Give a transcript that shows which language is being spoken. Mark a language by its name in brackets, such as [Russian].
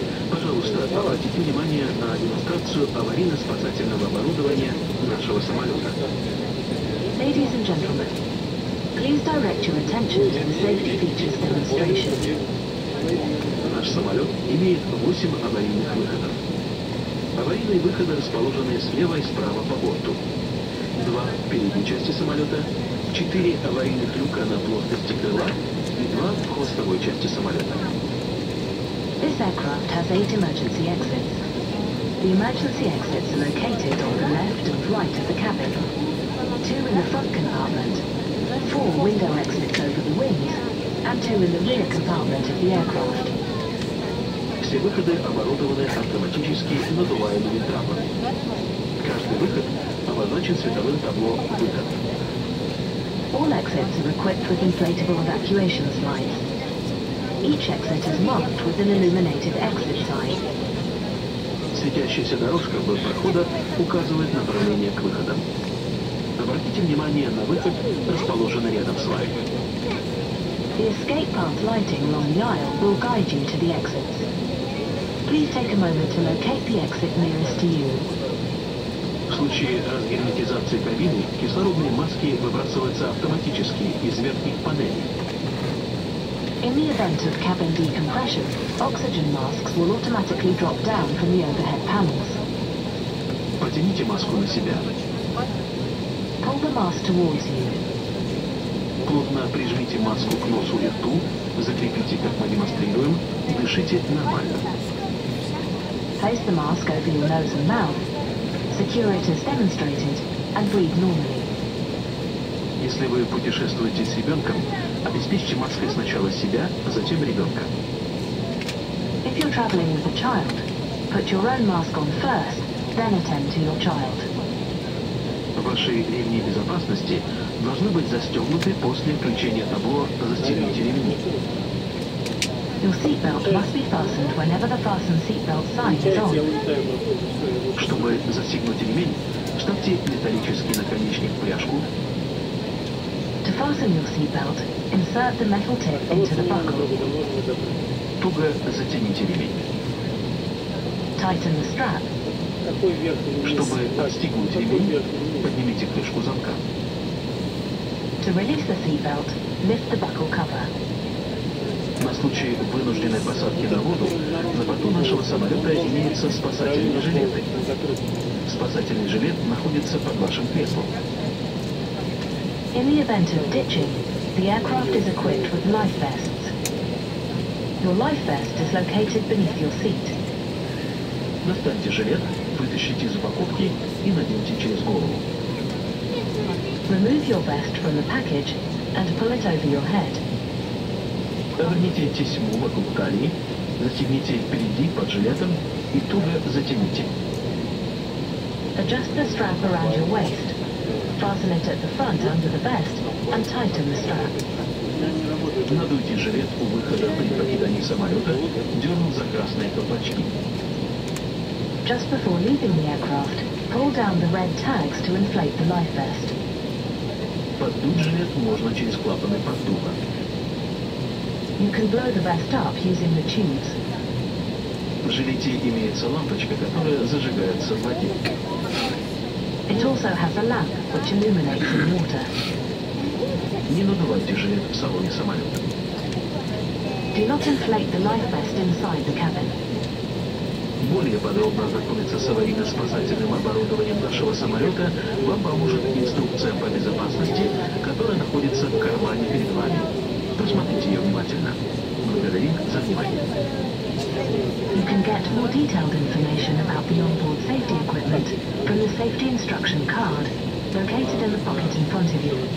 [Russian] Пожалуйста, обратите внимание на демонстрацию аварийно-спасательного оборудования нашего самолета. [English] Ladies and gentlemen, please direct your attention to the safety features demonstration. [Russian] Наш самолет имеет 8 аварийных выходов. Аварийные выходы расположены слева и справа по борту. 2 передней части самолета, 4 аварийных люка на плоскости крыла и 2 хвостовой части самолета. [English] This aircraft has 8 emergency exits. The emergency exits are located on the left and right of the cabin. 2 in the front compartment, 4 window exits over the wings, and 2 in the rear compartment of the aircraft. [Russian] Все выходы оборудованы автоматически надуваемыми трапами. Каждый выход обозначен световым табло «Выход». [English] All exits are equipped with inflatable evacuation slides. Each exit is marked with an illuminated exit sign. [Russian] Светящаяся дорожка вдоль прохода указывает направление к выходам. Обратите внимание на выход, расположенный рядом с вами. [English] The escape path lighting along the aisle will guide you to the exits. Please take a moment to locate the exit nearest to you. [Russian] В случае разгерметизации кабины кислородные маски выбрасываются автоматически из верхних панелей. [English] In the event of cabin decompression, oxygen masks will automatically drop down from the overhead panels. [Russian] Потяните маску на себя. [English] Pull the mask towards you. [Russian] Плотно прижмите маску к носу и рту, закрепите, как мы демонстрируем, и дышите нормально. [English] Place the mask over your nose and mouth, secure it as demonstrated, and breathe normally. [Russian] Если вы путешествуете с ребенком, обеспечьте маской сначала себя, а затем ребенка. [English] If you're traveling with a child, put your own mask on first, then attend to your child. [Russian] Ваши ремни безопасности должны быть застегнуты после включения табло «Застегните ремни». [English] Your seatbelt must be fastened whenever the fasten seatbelt sign is on. [Russian] Чтобы застегнуть ремень, вставьте металлический наконечник в пряжку. [English] To fasten your seatbelt, insert the metal tip into the buckle. [Russian] Туго затяните ремень. [English] Tighten the strap. [Russian] Чтобы отстегнуть ремень, поднимите крышку замка. [English] To release the seatbelt, lift the buckle cover. [Russian] На случай вынужденной посадки на воду, на борту нашего самолета имеются спасательные жилеты. Спасательный жилет находится под вашим креслом. [English] In the event of ditching, the aircraft is equipped with life vests. Your life vest is located beneath your seat. [Russian] Достаньте жилет, вытащите из упаковки и наденьте через голову. [English] Remove your vest from the package and pull it over your head. [Russian] Оверните тесьму вокруг талии, затяните впереди под жилетом и туго затяните. [English] Adjust the strap around your waist. Fasten it at the front under the vest and tighten the strap. [Russian] Надуйте жилет у выхода при покидании самолета, дернув за красные колпачки. [English] Just before leaving the aircraft, pull down the red tags to inflate the life vest. [Russian] Поддуть жилет можно через клапаны поддува. [English] You can blow the vest up using the tubes. [Russian] В жилете имеется лампочка, которая зажигается в воде. [English] It also has a lamp which illuminates in water. [Russian] Не надувайте жилет в салоне самолета. [English] Do not inflate the life vest inside the cabin. [Russian] Более подробно ознакомиться с аварийно-спасательным оборудованием нашего самолета вам поможет инструкция по безопасности, которая находится в кармане перед вами. Посмотрите ее внимательно. Благодарим за внимание. [English] You can get more detailed information about the onboard safety equipment from the safety instruction card located in the pocket in front of you.